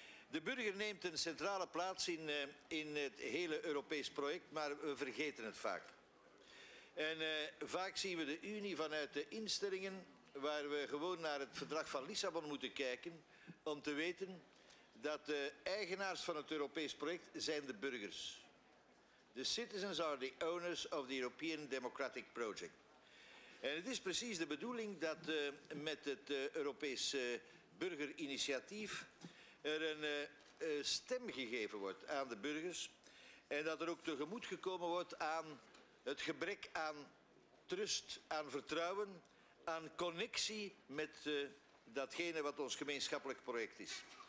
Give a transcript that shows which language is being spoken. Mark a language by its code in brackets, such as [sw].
[nl] De burger neemt een centrale plaats in het hele Europees project, maar we vergeten het vaak. En vaak zien we de Unie vanuit de instellingen, waar we gewoon naar het verdrag van Lissabon moeten kijken, om te weten dat de eigenaars van het Europees project zijn de burgers. [en] The citizens are the owners of the European Democratic Project. [nl] En het is precies de bedoeling dat met het Europees burgerinitiatief er een stem gegeven wordt aan de burgers en dat er ook tegemoet gekomen wordt aan het gebrek aan trust, aan vertrouwen, aan connectie met datgene wat ons gemeenschappelijk project is.